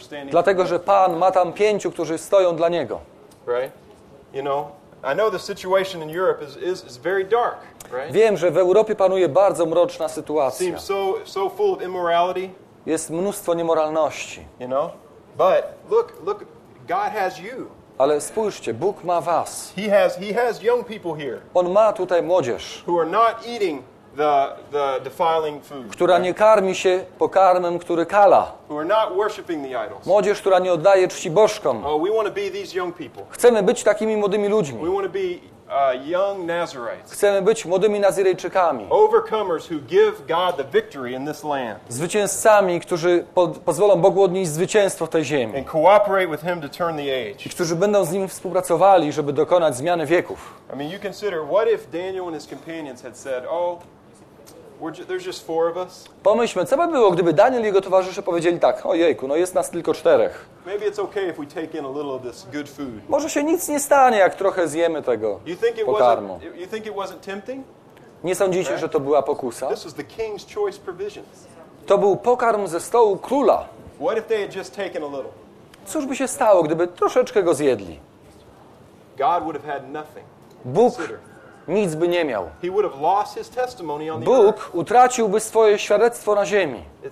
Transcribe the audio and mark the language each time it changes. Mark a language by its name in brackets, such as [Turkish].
[Polish] Dlatego, że Pan ma tam pięciu, którzy stoją dla Niego. [English] Right? You know, I know the situation in Europe is very dark. [Polish] Wiem, że w Europie panuje bardzo mroczna sytuacja. [English] So full of immorality. [Polish] Jest mnóstwo niemoralności. [English] You know? But look, God has you. [Polish] Ale spójrzcie, Bóg ma was. [English] He has young people here. [Polish] On ma tutaj młodzież. [English] Who are not eating the defiling food. [Polish] Która nie karmi się pokarmem, który kala. [English] Who are not worshiping the idols. [Polish] Młodzież, która nie oddaje czci bożkom. [English] Oh, we want to be these young people. [Polish] Chcemy być takimi młodymi ludźmi. [English] We want to be young Nazirites. [Polish] Chcemy być młodymi Nazirejczykami. [English] Overcomers who give God the victory in this land. [Polish] Zwycięzcami, którzy pozwolą Bogu odnieść zwycięstwo w tej ziemi. [English] And cooperate with him to turn the age. [Polish] I którzy będą z nim współpracowali, żeby dokonać zmiany wieków. [English] I mean, you consider, what if Daniel and his companions had said, oh, there's just four of us? [Polish] Pomyślmy, co by było, gdyby Daniel i jego towarzysze powiedzieli tak, ojejku, no jest nas tylko czterech. [English] Maybe it's okay if we take in a little of this good food. [Polish] Może się nic nie stanie, jak trochę zjemy tego pokarmu. [English] You think it wasn't tempting? [Polish] Nie sądzicie, right? Że to była pokusa? [English] This was the king's choice provisions. [Polish] To był pokarm ze stołu króla. [English] What if they had just taken a little? [Polish] Cóż by się stało, gdyby troszeczkę go zjedli? [English] God would have had nothing. [Polish] Bóg nic by nie miał. [English] He would have lost his testimony on the [Polish] Bóg [English] earth. [Polish] Utraciłby swoje świadectwo na ziemi.